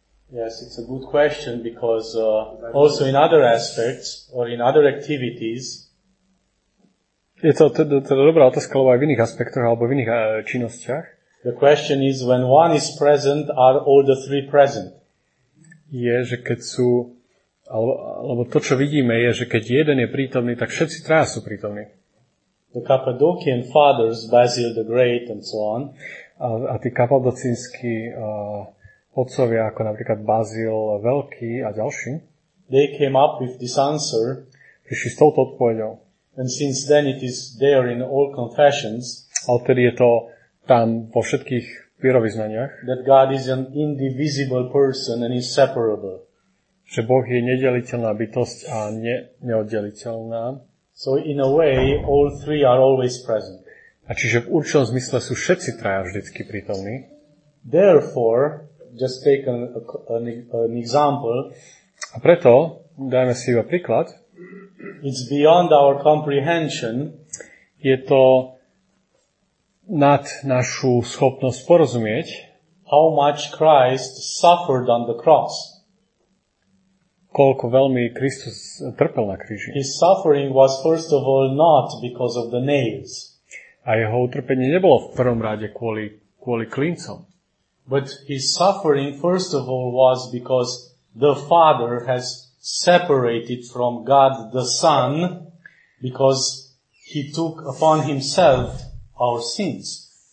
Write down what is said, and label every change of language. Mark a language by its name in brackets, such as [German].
[English] Yes, it's a good question because also in other aspects or in other activities. [Slovak] Je to dobrá otázka, alebo aj v iných aspektoch alebo v iných činnostiach. [English] The question is when one is present, are all the three present? [Slovak] Je, že keď sú Alebo to, čo vidíme, je, že keď jeden je prítomný, tak všetci traja sú prítomní. [English] The Cappadocian fathers, Basil the Great and so on. [Slovak] A tí kapadocínsky otcovia, ako napríklad Basil Veľký a ďalší, [English] they came up with this answer. [Slovak] Prišli s touto odpovedou. [English] And since then it is there in all confessions. [Slovak] A odtedy je to tam vo všetkých vierovyznaniach. [English] That God is an indivisible person and inseparable. [Slovak] Že Boh je nedeliteľná bytosť a neoddeliteľná. [English] So in a way, all three are always present. [Slovak] A čiže v určitom zmysle sú všetci traja vždycky prítomní. [English] Therefore, just take an example. [Slovak] A preto, dajme si iba príklad. [English] It's beyond our comprehension. [Slovak] Je to nad našu schopnosť porozumieť. [English] How much Christ suffered on the cross. [Slovak] Koľko veľmi Kristus trpel na kríži. [English] His suffering was first of all not because of the nails. [Slovak] A jeho utrpenie nebolo v prvom rade kvôli klincom. [English] But his suffering first of all was because the Father has separated from God the Son because he took upon himself our sins.